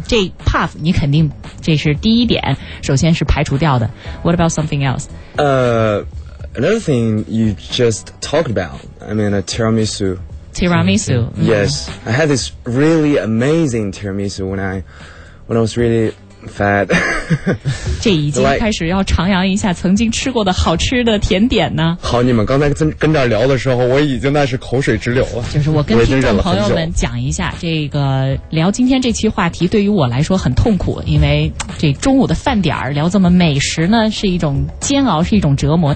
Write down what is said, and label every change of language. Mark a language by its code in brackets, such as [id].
[zh] 这 puff 你肯定这是第一点，首先是排除掉的。 [en] What about something else? Another thing you just talked about, I mean, a tiramisu. Tiramisu. Yes. I had this really amazing tiramisu when I was really fat. [zh] 这已经开始要徜徉一下曾经吃过的好吃的甜点呢。好，你们刚才跟这儿聊的时候，我已经那是口水直流了。就是我跟听众朋友们讲一下，这个聊今天这期话题对于我来说很痛苦，因为这中午的饭点儿聊这么美食呢，是一种煎熬，是一种折磨。